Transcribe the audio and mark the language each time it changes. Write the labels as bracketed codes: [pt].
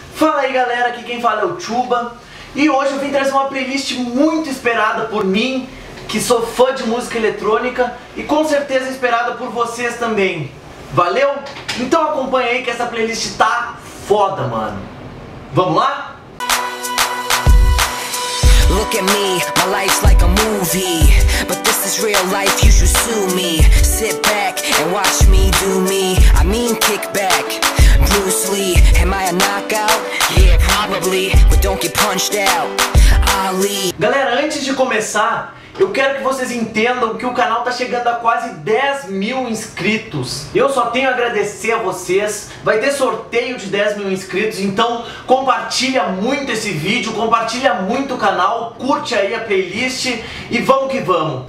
[pt] Fala aí galera, aqui quem fala é o Chuba. E hoje eu vim trazer uma playlist muito esperada por mim, que sou fã de música eletrônica, e com certeza esperada por vocês também. Valeu? Então acompanha aí que essa playlist tá foda, mano. Vamos lá? [en] Look at me, my life's like a movie. But this is real life, you should sue me. Sit back and watch me do me. I mean kick back. Bruce Lee, am I a knockout? Yeah, probably, but don't get punched out. Ali. [pt] Galera, antes de começar, eu quero que vocês entendam que o canal tá chegando a quase 10 mil inscritos. Eu só tenho a agradecer a vocês. Vai ter sorteio de 10 mil inscritos, então compartilha muito esse vídeo, compartilha muito o canal, curte aí a playlist e vamos que vamos.